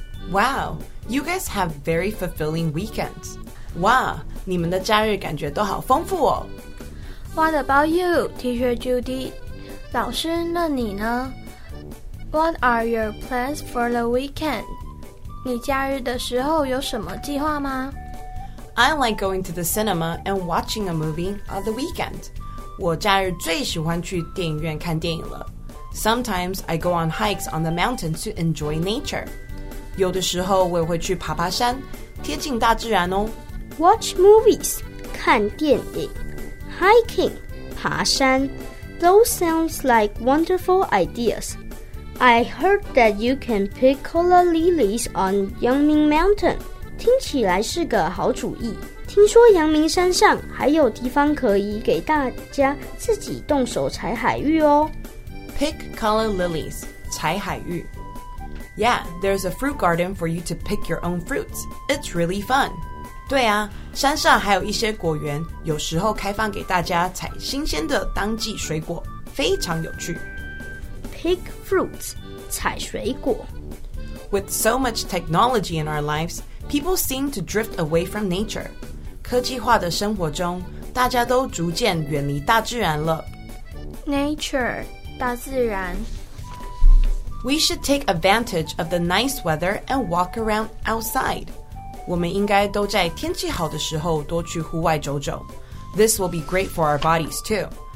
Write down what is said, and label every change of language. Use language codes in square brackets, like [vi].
[en] Wow, you guys have very fulfilling weekends. [zh] Wow, 你们的假日感觉都好丰富哦。 [en] What about you, Teacher Judy? [zh] 老师，那你呢？ [en] What are your plans for the weekend? [zh] 你假日的时候有什么计划吗？ [en] I like going to the cinema and watching a movie on the weekend. [zh] 我假日最喜欢去电影院看电影了。 [en] Sometimes I go on hikes on the mountain to enjoy nature. [zh] 有的时候我也会去爬爬山，贴近大自然哦。 [en] Watch movies, 看电影。Hiking, 爬山 those sounds like wonderful ideas. I heard that you can pick calla lilies on Yangming Mountain. [zh] 听起来是个好主意。听说阳明山上还有地方可以给大家自己动手采海芋哦。 [en] Pick calla lilies, 采海芋。 Yeah, there's a fruit garden for you to pick your own fruits. It's really fun. [zh] 对啊，山上还有一些果园，有时候开放给大家采新鲜的当季水果，非常有趣。 [en] Pick fruits, 采水果。 With so much technology in our lives, people seem to drift away from nature. [zh] 科技化的生活中，大家都逐渐远离大自然了。 [en] Nature, 大自然。 We should take advantage of the nice weather and walk around outside. [zh] 我们应该都在天气好的时候多去户外走走。 [en] This will be great for our bodies too.